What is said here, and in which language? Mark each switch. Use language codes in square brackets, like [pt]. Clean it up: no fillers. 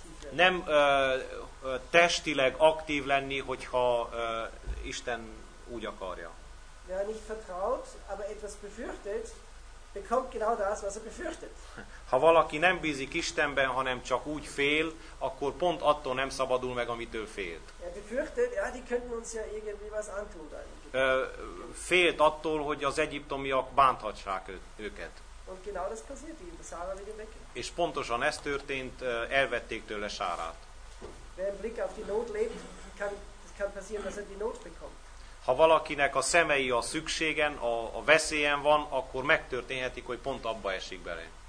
[hu] Nem testileg aktív lenni, hogyha Isten úgy akarja. [de] Wer nicht vertraut, aber etwas befürchtet, bekommt genau das, was er befürchtet. [hu] Ha valaki nem bízik Istenben, hanem csak úgy fél, akkor pont attól nem szabadul meg, amit ő félt. [de] Er befürchtet, ja, die könnten uns ja irgendwie was antun. [hu] Félt attól, hogy az egyiptomiak bánthatsák őket. [de] Und genau das passiert ihm, das Sarah wieder weg. [hu] És pontosan ez történt, elvették tőle Sárát. [de] Wer im Blick auf die Not lebt, kann passieren, dass er die Not bekommt. [hu] Ha valakinek a szemei a szükségen, a veszélyen van, akkor megtörténhetik, hogy pont abba esik bele.